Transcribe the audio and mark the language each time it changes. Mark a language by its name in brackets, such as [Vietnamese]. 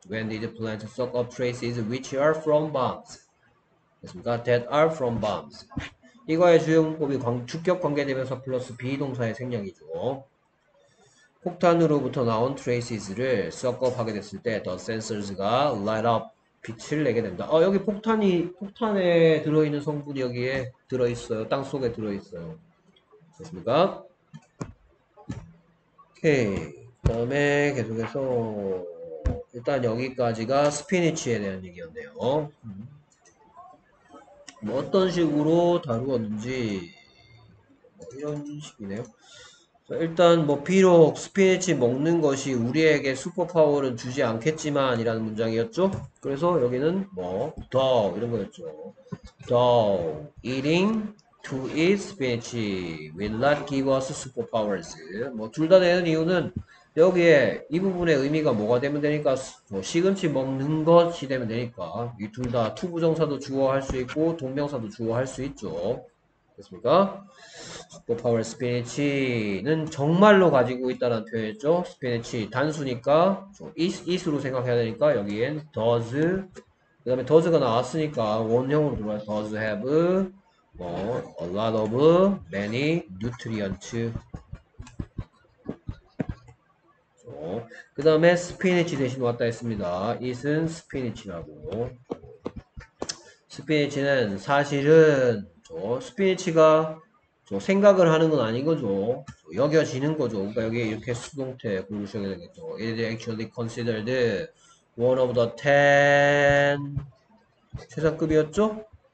[English] When did the plant soak up traces which are from bombs? [Korean] 됐습니까? [English] That are from bombs. [Korean] 이거의 주요 문법이 주격 관계대명사 플러스 비동사의 생략이죠. 폭탄으로부터 나온 traces를 soak up 하게 됐을 때 the sensors가 [English] light up [Korean] 빛을 내게 된다. 어, 여기 폭탄에 들어있는 성분이 여기에 들어있어요. 땅 속에 들어있어요. 됐습니까? 오케이. 그다음에 계속해서 일단 여기까지가 스피니치에 대한 얘기였네요. 뭐 어떤 식으로 다루었는지 뭐 이런 식이네요. 일단 뭐 비록 스피니치 먹는 것이 우리에게 슈퍼 파워를 주지 않겠지만 이라는 문장이었죠. 그래서 여기는 뭐 더 이런 거였죠. [English] Though eating to eat spinach will not give us superpowers. [Korean] 뭐둘다 되는 이유는 여기에 이 부분의 의미가 뭐가 되면 되니까 뭐 시금치 먹는 것이 되면 되니까 이둘다 to 부정사도 주어 할수 있고 동명사도 주어 할수 있죠. 그렇습니까? 슈퍼파워 스피니치는 정말로 가지고 있다는 표현이죠. 스피니치 단수니까 is로 생각해야 되니까 여기엔 does, 그 다음에 does가 나왔으니까 원형으로 들어와요. [English] does have 뭐, a lot of many nutrients. [Korean] 그 다음에 스피니치 대신 왔다 했습니다. is은 스피니치라고. 스피니치는 사실은 스피니치가 생각을 하는 건 아닌 거죠. 여겨지는 거죠. 그러니까 여기 이렇게 수동태 고르셔야 되겠죠. [English] It is actually considered one of the ten [Korean] 최상급이었죠?